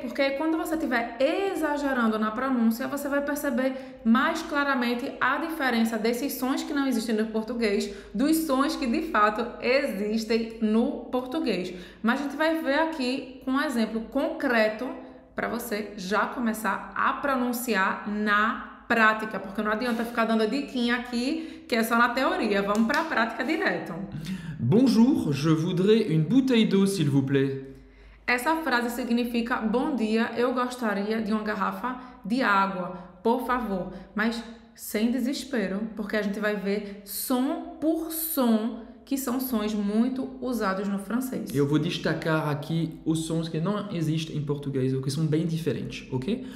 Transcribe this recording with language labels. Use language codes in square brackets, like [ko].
[pt] Porque quando você estiver exagerando na pronúncia, você vai perceber mais claramente a diferença desses sons que não existem no português dos sons que de fato existem no português. Mas a gente vai ver aqui um exemplo concreto para você já começar a pronunciar na prática, porque não adianta ficar dando a diquinha aqui, que é só na teoria. Vamos para a prática direto. [fr] Bonjour, je voudrais une bouteille d'eau, s'il vous plaît. [pt] Essa frase significa bom dia, eu gostaria de uma garrafa de água, por favor. Mas sem desespero, porque a gente vai ver som por som, que são sons muito usados no francês. Eu vou destacar aqui os sons que não existem em português, ou que são bem diferentes, ok?